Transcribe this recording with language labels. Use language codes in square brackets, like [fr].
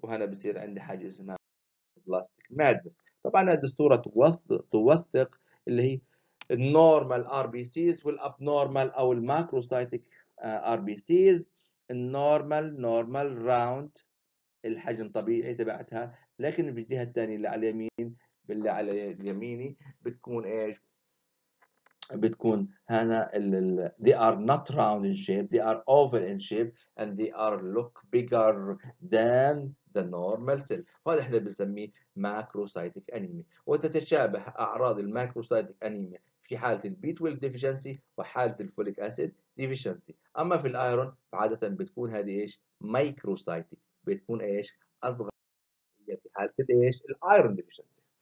[ar] وهنا بصير عندي حاجة اسمها plastic madness. طبعا هذه الصورة توثق اللي هي normal RBCs والabnormal أو macrocytic RBCs. النورمال راوند الحجم طبيعي تبعتها، لكن بالجهه الثانيه اللي على اليمين، باللي على يميني بتكون ايش، بتكون هنا [en] they are not round in shape, they are oval in shape and they are look bigger than the normal cell. [ar] هذا احنا بنسميه macrocytic anemia. وتتشابه اعراض الماكروسايتيك انيميا في حاله البي 12 ديفيشنسي وحاله الفوليك اسيد ديفيشنسي. اما في الايرون فعاده بتكون هذه ايش مايكروسايتيك، بتكون ايش اصغر في حاله ايش الايرون ديفيشنسي.